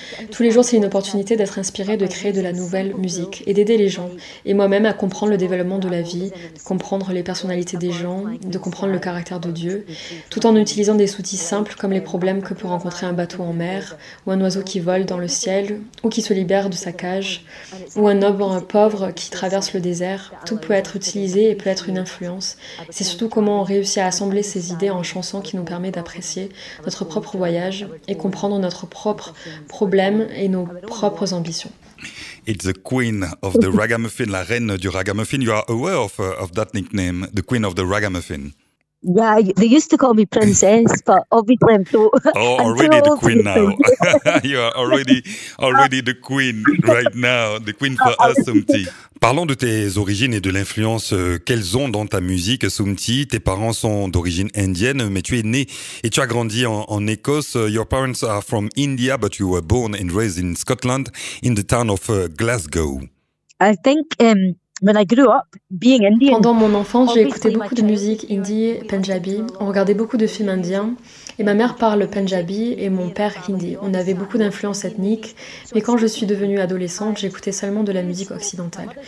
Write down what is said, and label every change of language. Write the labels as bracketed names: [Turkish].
[French] Tous les jours, c'est une opportunité d'être inspiré, de créer de la nouvelle musique et d'aider les gens et moi-même à comprendre le développement de la vie, de comprendre les personnalités des gens, de comprendre le caractère de Dieu, tout en utilisant des outils simples comme les problèmes que peut rencontrer un bateau en mer, ou un oiseau qui vole dans le ciel, ou qui se libère de sa cage, ou un homme pauvre qui traverse le désert. Tout peut être utilisé et peut être une influence. C'est surtout comment on réussit à assembler ces idées en chansons qui nous permet d'apprécier notre propre voyage et comprendre notre propre problème et nos propres ambitions. [English] It's the queen of the ragamuffin, [French] la reine du ragamuffin. [English] You are aware of that nickname, the queen of the ragamuffin? Yeah, they used to call me princess, but obviously I'm so... Oh, already the queen now. You are already the queen right now, the queen for us, Sumti. [French] Parlons de tes origines et de l'influence qu'elles ont dans ta musique, Sumti. Tes parents sont d'origine indienne, mais tu es né et tu as grandi en Écosse. [English] Your parents are from India, but you were born and raised in Scotland, in the town of Glasgow. I think... [French] Pendant mon enfance, j'ai écouté beaucoup de musique indie, punjabi, on regardait beaucoup de films indiens Et ma mère parle Punjabi et mon père Hindi. On avait beaucoup d'influences ethniques, mais quand je suis devenue adolescente, j'écoutais seulement de la musique occidentale.